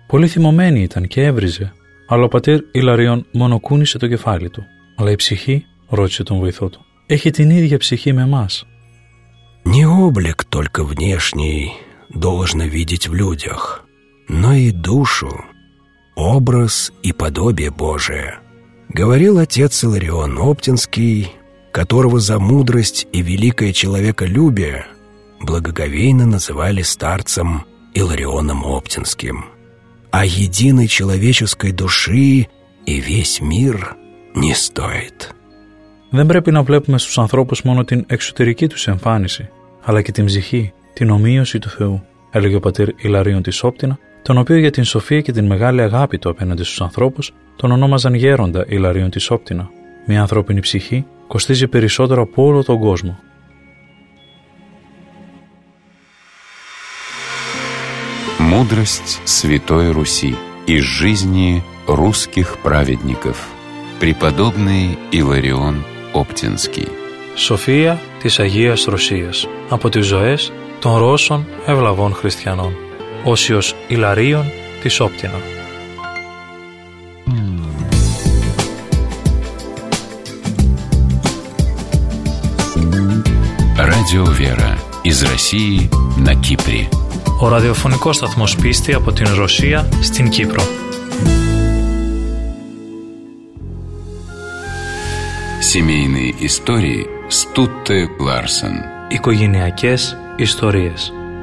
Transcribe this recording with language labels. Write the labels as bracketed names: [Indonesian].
[Greek] Πολύ θυμωμένη ήταν και έβριζε». Αλλά ο πατήρ Ιλαρίων μονοκούνησε το κεφάλι του. «Αλλά η ψυχή», ρώτησε τον βοηθό του, «έχει την ίδια ψυχή με εμάς». [Russian] Не облик только внешний должно видеть в людях, но и душу, образ и подобие Божие, говорил отец Иларион Оптинский, которого за мудрость и великое человеколюбие благоговейно называли старцем Иларионом Оптинским. А единой человеческой души и весь мир не стоит. [Greek] Δεν πρέπει να βλέπουμε στους ανθρώπους μόνο την εξωτερική τους εμφάνιση, αλλά και την ψυχή, την ομοίωση του Θεού, έλεγε ο πατήρ Ιλαρίων της Όπτινα, τον οποίο για την σοφία και την μεγάλη αγάπη του απέναντι στους ανθρώπους τον ονόμαζαν γέροντα Ιλαρίων της Όπτινα. Μια ανθρώπινη ψυχή κοστίζει περισσότερο από όλο τον κόσμο. [Russian] Мудрость Святой Руси из жизни русских праведников. Преподобный Иларион Оптинский. [Greek] София της Αγίας Ρωσίας. Από τις ζωές των Ρώσων ευλαβών χριστιανών. Όσιος Ιλαρίων της Όπτινα. [Russian] Радио Вера из России на Кипре. [Greek] Ο ραδιοφωνικός σταθμός πίστη από την Ρωσία στην Κύπρο. [Russian] Семейные истории Стутте Ларсен. [Greek] Οικογενειακές ιστορίες.